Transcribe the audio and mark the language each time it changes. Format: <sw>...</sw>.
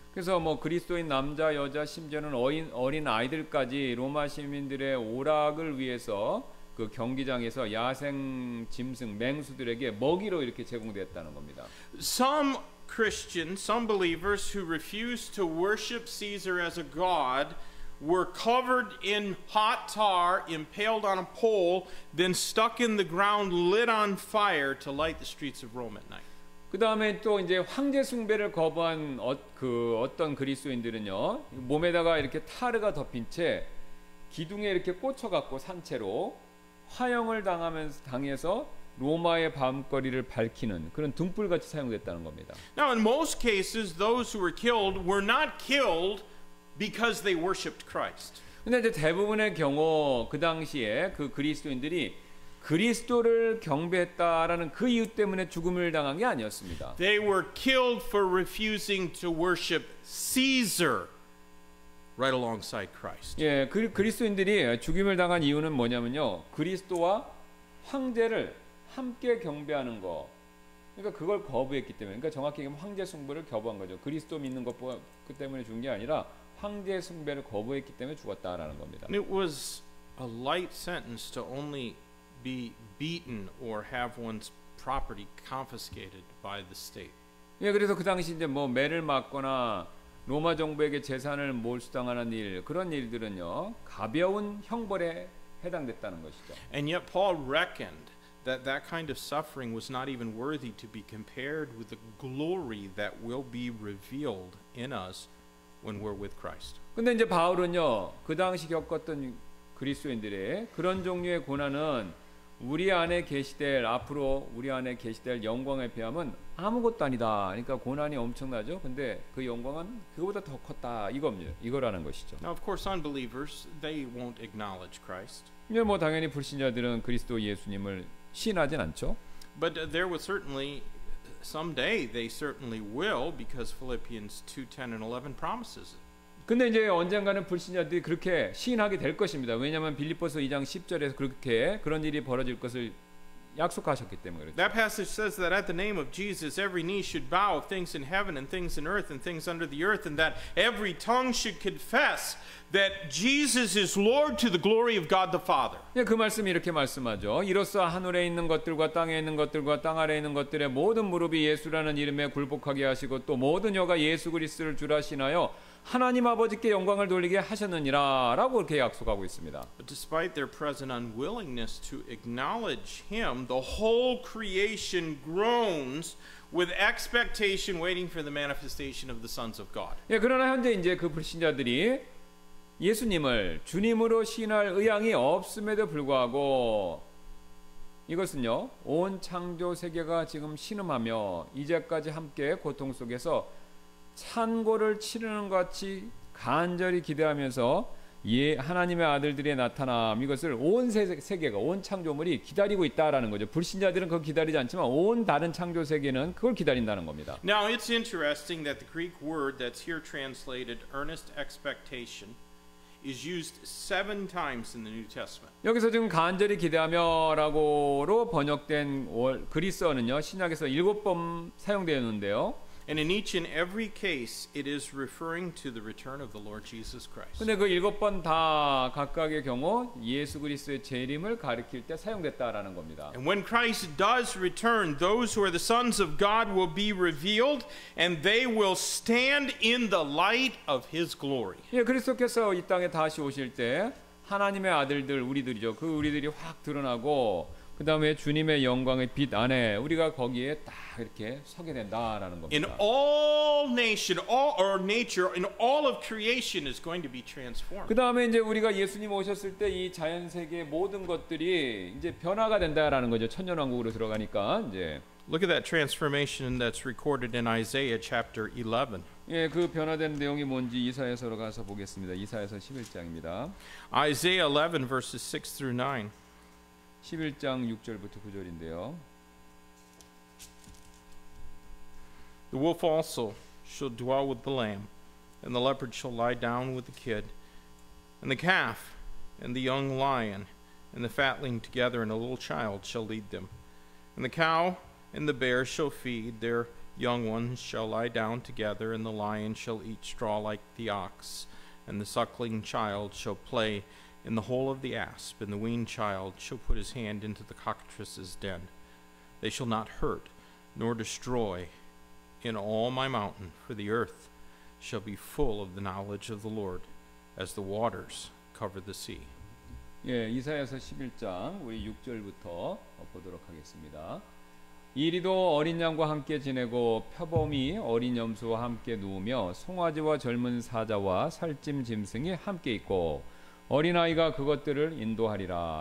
<ko>그래서 뭐 그리스도인 남자, 여자, 심지어는 어린 아이들까지 로마 시민들의 오락을 위해서 그 경기장에서 야생 짐승 맹수들에게 먹이로 이렇게 제공되었다는 겁니다.</ko> <en>Some Christians, some believers who refused to worship Caesar as a god were covered in hot tar, impaled on a pole, then stuck in the ground lit on fire to light the streets of Rome at night.</en> <ko>그다음에 또 이제 황제 숭배를 거부한 그 어떤 그리스도인들은요. 몸에다가 이렇게 타르가 덮인 채 기둥에 이렇게 꽂혀 갖고 산 채로 화형을 당해서 로마의 밤거리를 밝히는 그런 등불같이 사용됐다는 겁니다.</ko> <en>Now in most cases those who were killed were not killed because they worshiped Christ.</en> <ko>근데 이제 대부분의 경우 그 당시에 그 그리스도인들이 그리스도를 경배했다라는 그 이유 때문에 죽음을 당한 게 아니었습니다.</ko> <en>They were killed for refusing to worship Caesar. Right alongside Christ.</en> <ko>예, 그리스도인들이 죽임을 당한 이유는 뭐냐면요, 그리스도와 황제를 함께 경배하는 거. 그러니까 그걸 거부했기 때문에, 그러니까 정확히 얘기하면 황제 숭배를 거부한 거죠. 그리스도 믿는 것 때문에 죽은 게 아니라 황제 숭배를 거부했기 때문에 죽었다라는 겁니다.</ko> <en>It was a light sentence to only be beaten or have one's property confiscated by the state.</en> <ko>예, 그래서 그 당시 이제 뭐 매를 맞거나 로마 정부에게 재산을 몰수당하는 일, 그런 일들은요, 가벼운 형벌에 해당됐다는 것이죠.</ko> <en>And yet Paul reckoned that that kind of suffering was not even worthy to be compared with the glory that will be revealed in us when we're with Christ.</en> <ko>근데 이제 바울은요, 그 당시 겪었던 그리스도인들의 그런 종류의 고난은 우리 안에 계시될 앞으로 우리 안에 계시될 영광에 비하면 아무것도 아니다. 그러니까 고난이 엄청나죠. 근데 그 영광은 그보다 더 컸다. 이겁니다. 이거라는 것이죠.</ko> <en>Now, of course, unbelievers they won't acknowledge Christ.</en> <ko>예, 뭐 당연히 불신자들은 그리스도 예수님을 시인하진 않죠.</ko> <en>But there will certainly someday they certainly will because Philippians 2:10 and 11 promises.</en> <ko>근데 이제 언젠가는 불신자들이 그렇게 시인하게 될 것입니다. 왜냐하면 빌립보서 2장 10절에서 그렇게 그런 일이 벌어질 것을 약속하셨기 때문에 그렇죠.</ko> <en>That passage says that at the name of Jesus every knee should bow of things in heaven and things in earth and things under the earth and that every tongue should confess that Jesus is Lord to the glory of God the Father.</en> <ko>예, 그 말씀이 이렇게 말씀하죠. 이로써 하늘에 있는 것들과 땅에 있는 것들과 땅 아래에 있는 것들의 모든 무릎이 예수라는 이름에 굴복하게 하시고 또 모든 혀가 예수 그리스도를 주라 하시나요 하나님 아버지께 영광을 돌리게 하셨느니라라고 이렇게 약속하고 있습니다.</ko> <en>But despite their present unwillingness to acknowledge him, the whole creation groans with expectation waiting for the manifestation of the sons of God.</en> <ko>예, 그러나 현재 이제 그 불신자들이 예수님을 주님으로 시인할 의향이 없음에도 불구하고 이것은요. 온 창조 세계가 지금 신음하며 이제까지 함께 고통 속에서 찬고를 치르는 것 같이 간절히 기대하면서 예 하나님의 아들들의 나타남 이것을 온 세계가 온 창조물이 기다리고 있다라는 거죠. 불신자들은 그걸 기다리지 않지만 온 다른 창조 세계는 그걸 기다린다는 겁니다.</ko> <en>Now it's interesting that the Greek word that's here translated earnest expectation is used seven times in the New Testament.</en> <ko>여기서 지금 간절히 기대하며라고로 번역된 그리스어는요 신약에서 7번 사용되었는데요.</ko> <en>And in each and every case, it is referring to the return of the Lord Jesus Christ.</en> <ko>근데 그 일곱 번 다 각각의 경우 예수 그리스도의 재림을 가리킬 때 사용됐다라는 겁니다.</ko> <en>And when Christ does return, those who are the sons of God will be revealed, and they will stand in the light of His glory.</en> <ko>예, 그리스도께서 이 땅에 다시 오실 때 하나님의 아들들 우리들이죠. 그 우리들이 확 드러나고. 그 다음에 주님의 영광의 빛 안에 우리가 거기에 딱 이렇게 서게 된다라는 겁니다.</ko> <en>In all nation, all or nature, in all of creation is going to be transformed.</en> <ko>그 다음에 이제 우리가 예수님 오셨을 때 이 자연 세계 모든 것들이 이제 변화가 된다라는 거죠. 천년 왕국으로 들어가니까 이제.</ko> <en>Look at that transformation that's recorded in Isaiah chapter 11.</en> <ko>예, 그 변화된 내용이 뭔지 이사야서로 가서 보겠습니다. 이사야서 11장입니다.</ko> <en>Isaiah 11 verses 6 through 9.</en> <ko>11장 6절부터 9절인데요.</ko> <en>The wolf also shall dwell with the lamb, and the leopard shall lie down with the kid, and the calf and the young lion and the fatling together, and a little child shall lead them. And the cow and the bear shall feed, their young ones shall lie down together, and the lion shall eat straw like the ox, and the suckling child shall play in the hole of the asp, and the weaned child shall put his hand into the cockatrice's den. They shall not hurt nor destroy in all my mountain, for the earth shall be full of the knowledge of the Lord, as the waters cover the sea.</en> <ko>예, 이사야서 11장 우리 6절부터 보도록 하겠습니다. 이리도 어린 양과 함께 지내고 표범이 어린 염소와 함께 누우며 송아지와 젊은 사자와 살찜 짐승이 함께 있고 어린아이가 그것들을 인도하리라.</ko>